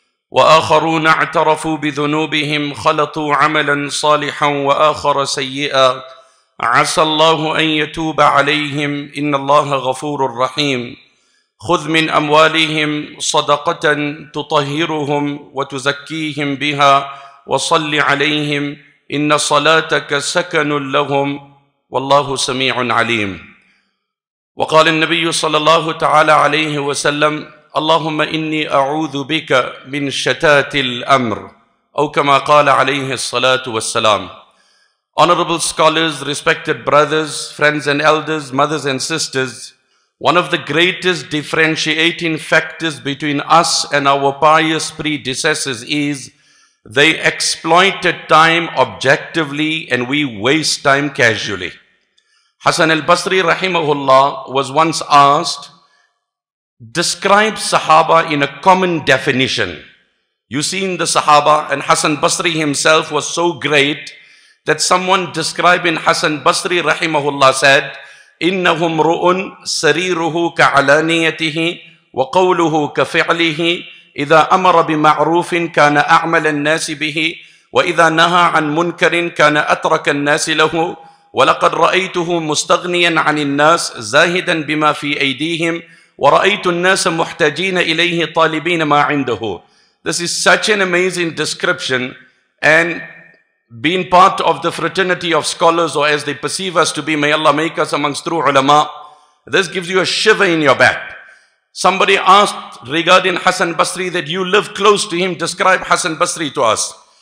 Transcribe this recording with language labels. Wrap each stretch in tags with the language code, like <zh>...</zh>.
<ar>وآخرون اعترفوا بذنوبهم خلطوا عملا صالحا وآخر سيئا عسى الله أن يتوب عليهم إن الله غفور رحيم خذ من أموالهم صدقة تطهرهم وتزكيهم بها وصل عليهم إن صلاتك سكن لهم والله سميع عليم وقال النبي صلى الله تعالى عليه وسلم اللهم إني أعوذ بك من شتات الأمر أو كما قال عليه الصلاة والسلام.</ar> <en>Honorable scholars, respected brothers, friends and elders, mothers and sisters, one of the greatest differentiating factors between us and our pious predecessors is they exploited time objectively and we waste time casually. Hassan al-Basri rahimahullah was once asked, describe Sahaba in a common definition. You've seen the Sahaba, and Hassan Basri himself was so great that someone describing Hassan Basri rahimahullah said,</en> <ar>إِنَّهُمْ رُؤُنْ سَرِيرُهُ كَعَلَانِيَتِهِ وَقَوْلُهُ كَفِعْلِهِ إِذَا أَمَرَ بِمَعْرُوفٍ كَانَ أَعْمَلَ النَّاسِ بِهِ وَإِذَا نَهَى عَنْ مُنْكَرٍ كَانَ أَتْرَكَ النَّاسِ لَهُ وَلَقَدْ رَأَيْتُهُ مُسْتَغْنِيًا عَنِ النَّاسِ زَاهِدًا بِمَا فِي أَيْدِيهِمْ وَرَأَيْتُ النَّاسَ مُحْتَاجِينَ إِلَيْهِ طَالِبِينَ مَا عِنْدَهُ.</ar> <en>This is such an amazing description, and being part of the fraternity of scholars, or as they perceive us to be, may Allah make us amongst true ulama, this gives you a shiver in your back. Somebody asked regarding Hassan Basri that you live close to him, describe Hassan Basri to us.</en>